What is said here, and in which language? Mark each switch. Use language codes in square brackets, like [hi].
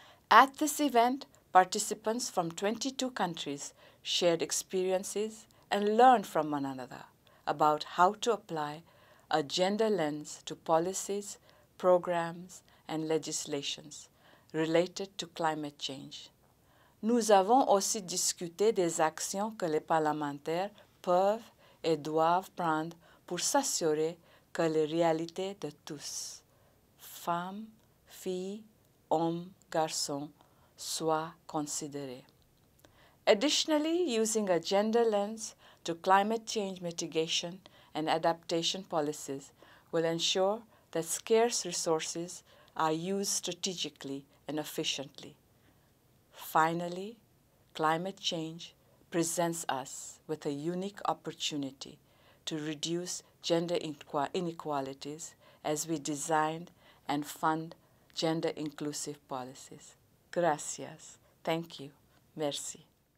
[en] At this event, participants from 22 countries shared experiences and learned from one another about how to apply a gender lens to policies, programs, and legislations related to climate change. [fr] Nous avons aussi discuté des actions que les parlementaires peuvent et doivent prendre pour s'assurer que les réalités de tous, femmes, filles, hommes, garçons, soient considérées. [en] Additionally, using a gender lens to climate change mitigation and adaptation policies will ensure that scarce resources are used strategically and efficiently. Finally, climate change presents us with a unique opportunity to reduce gender inequalities as we design and fund gender inclusive policies. [es] Gracias. [en] Thank you. [fr] Merci.